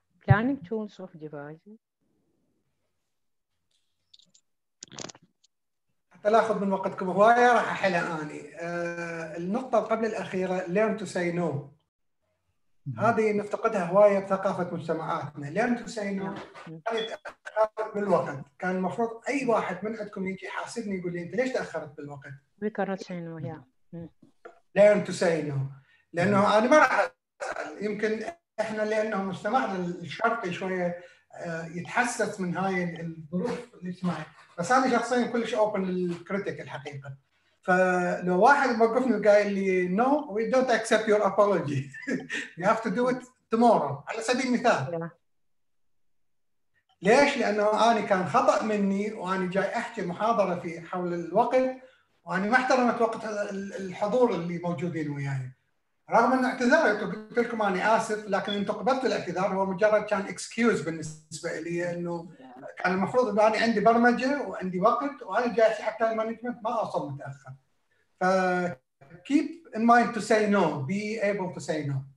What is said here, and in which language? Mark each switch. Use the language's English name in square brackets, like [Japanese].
[English] planning tools of devising [Arabic] حتى لاخذ من وقتكم هواية راح احلها اني. النقطة قبل الأخيرة [English] learn to say no. [Arabic] هذه نفتقدها هواية بثقافة مجتمعاتنا. [English] learn to say no [Arabic] تأخرت بالوقت. كان المفروض أي واحد من عندكم يجي حاسبني يقول لي أنت ليش تأخرت بالوقت. [English] we cannot say no. learn to say no [Arabic] لأنه أنا ما راح أسأل. يمكن إحنا لأنه مجتمعنا الشرقي شوية يتحسس من هاي الظروف الاجتماعية. بس أنا شخصيا كلش open للكريتيك الحقيقة. فلو واحد موقفني وقال لي [English] no we don't accept your apology you have to do it tomorrow [Arabic] على سبيل المثال. ليش؟ لأنه أنا كان خطأ مني وأنا جاي أحكي محاضرة في حول الوقت وأنا ما احترمت وقت الحضور اللي موجودين وياي. رغم أن اعتذرت وقلت لكم أنا آسف لكن أنتم قبلتوا الاعتذار. هو مجرد كان excuse بالنسبة لي أنه كان المفروض أنه أنا عندي برمجة وعندي وقت وأنا جاي حتى المانجمنت ما أصل متأخر. [English] ف keep in mind to say no, be able to say no.